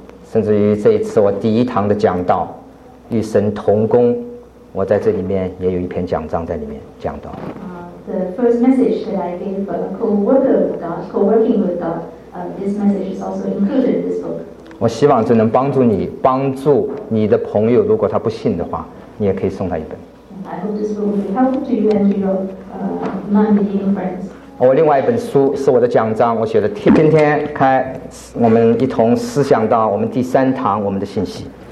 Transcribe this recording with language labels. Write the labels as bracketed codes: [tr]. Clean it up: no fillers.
[zh] 甚至于这一次我第一堂的讲道与神同工，我在这里面也有一篇讲章在里面讲到。 [en] The first message that I gave co-working with God, this message is also included in this book. [zh] 我希望这能帮助你，帮助你的朋友，如果他不信的话，你也可以送他一本。 [en] I hope this book will help to you and your non-believing friends. [zh] 我另外一本书是我的讲章，我写的今天开我们一同思想到我们第三堂我们的信息。